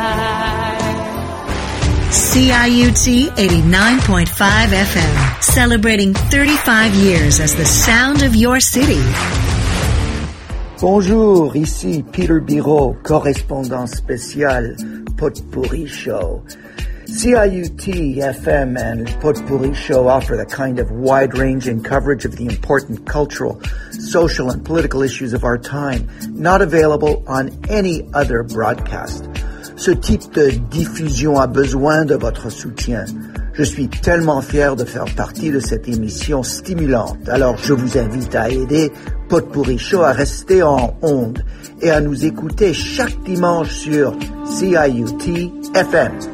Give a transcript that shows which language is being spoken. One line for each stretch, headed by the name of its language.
English: CIUT 89.5 FM, celebrating 35 years as the sound of your city.
French: Bonjour, ici Peter Biraud, correspondant spécial Potpourri Show.
English: CIUT FM and Potpourri Show offer the kind of wide-ranging coverage of the important cultural, social, and political issues of our time, not available on any other broadcast.
French: Ce type de diffusion a besoin de votre soutien. Je suis tellement fier de faire partie de cette émission stimulante. Alors, je vous invite à aider Potpourri Show à rester en onde et à nous écouter chaque dimanche sur CIUT FM.